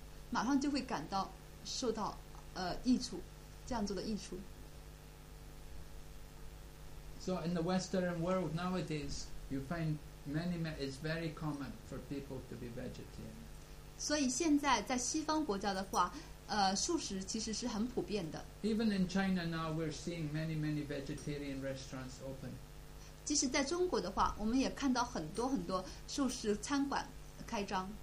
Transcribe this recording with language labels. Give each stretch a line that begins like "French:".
Chinese: 马上就会感到受到益处，这样做的益处。
English: So in the Western world nowadays, you find it's very common for people to be vegetarian.
Chinese: 所以现在在西方国家的话，素食其实是很普遍的。
English: Even in China now, we're seeing many vegetarian restaurants open.
Chinese: 即使在中国的话，我们也看到很多很多素食餐馆开张。